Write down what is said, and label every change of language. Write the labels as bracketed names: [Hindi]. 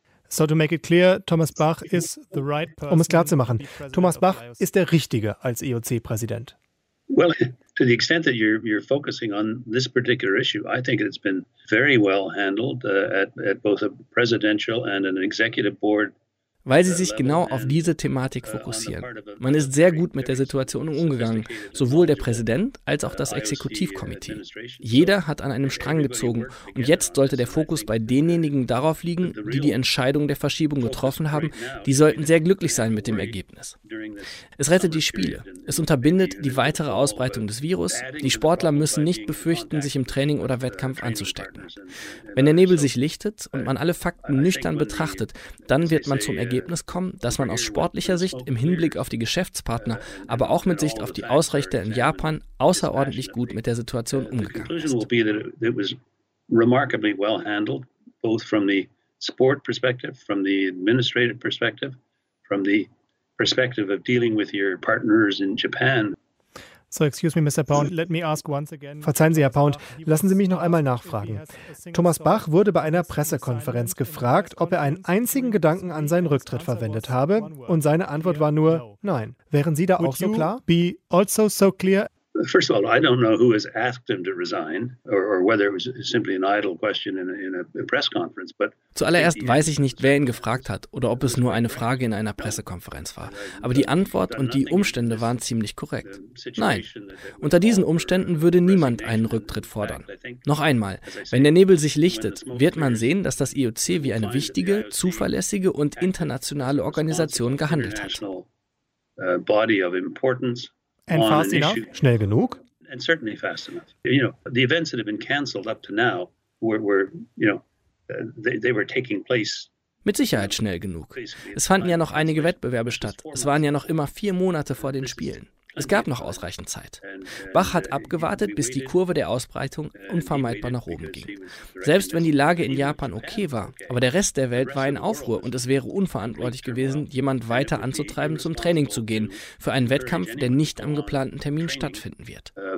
[English] So to make it clear, Thomas Bach is the right person. [German] Um es klar zu machen, Thomas Bach ist der Richtige als IOC-Präsident. [English] Well, to the extent that you're focusing on this particular issue, I think it's been very well handled at both a presidential and an executive board. [German] Weil sie sich genau auf diese Thematik fokussieren. Man ist sehr gut mit der Situation umgegangen, sowohl der Präsident als auch das Exekutivkomitee. Jeder hat an einem Strang gezogen und jetzt sollte der Fokus bei denjenigen darauf liegen, die die Entscheidung der Verschiebung getroffen haben. Die sollten sehr glücklich sein mit dem Ergebnis. Es rettet die Spiele. Es unterbindet die weitere Ausbreitung des Virus. Die Sportler müssen nicht befürchten, sich im Training oder Wettkampf anzustecken. Wenn der Nebel sich lichtet und man alle Fakten nüchtern betrachtet, dann wird man zum Ergebnis kommen, dass man aus sportlicher Sicht im Hinblick auf die Geschäftspartner, aber auch mit Sicht auf die Ausrichter in Japan außerordentlich gut mit der Situation umgegangen ist. [English] Will be that it was remarkably well handled, both from the sport perspective, from the administrative perspective, from the perspective of dealing with your partners in Japan. So, excuse me, Mr. Pound, let me ask once again. [German] Verzeihen Sie, Herr Pound, lassen Sie mich noch einmal nachfragen. Thomas Bach wurde bei einer Pressekonferenz gefragt, ob er einen einzigen Gedanken an seinen Rücktritt verwendet habe, und seine Antwort war nur nein. Wären Sie da auch so klar? [English] Be also so clear? First of all, I don't know who has asked him to resign or whether it was simply an idle question in a press conference, but [German] zuallererst weiß ich nicht, wer ihn gefragt hat oder ob es nur eine Frage in einer Pressekonferenz war. Aber die Antwort und die Umstände waren ziemlich korrekt. Nein, unter diesen Umständen würde niemand einen Rücktritt fordern. Noch einmal, wenn der Nebel sich lichtet, wird man sehen, dass das IOC wie eine wichtige, zuverlässige und internationale Organisation gehandelt hat. [English] Body of importance. And fast enough? [German] Schnell genug? [English] And certainly fast enough. You know, the events that have been canceled up to now were you know, they were taking place. [German] Mit Sicherheit schnell genug. Es fanden ja noch einige Wettbewerbe statt. Es waren ja noch immer 4 Monate vor den Spielen. Es gab noch ausreichend Zeit. Bach hat abgewartet, bis die Kurve der Ausbreitung unvermeidbar nach oben ging. Selbst wenn die Lage in Japan okay war, aber der Rest der Welt war in Aufruhr und es wäre unverantwortlich gewesen, jemand weiter anzutreiben, zum Training zu gehen, für einen Wettkampf, der nicht am geplanten Termin stattfinden wird.